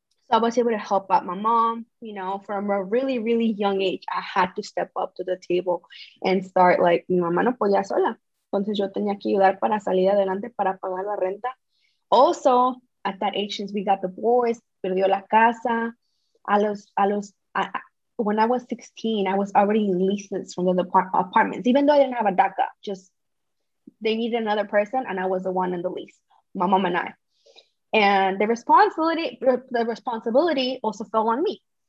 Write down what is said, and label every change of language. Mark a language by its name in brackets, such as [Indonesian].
[English] So I was able to help out my mom, you know, from a really, really young age. I had to step up to the table and start like, [Spanish] mi mamá no podía sola. Entonces yo tenía que ayudar para salir adelante, para pagar la renta. [English] Also, at that age, since we got divorced, [Spanish] perdió la casa. [English] When I was 16, I was already in leases from the apartments, even though I didn't have a DACA. Just, they needed another person, and I was the one in the lease, my mom and I. And the responsibility also fell on me.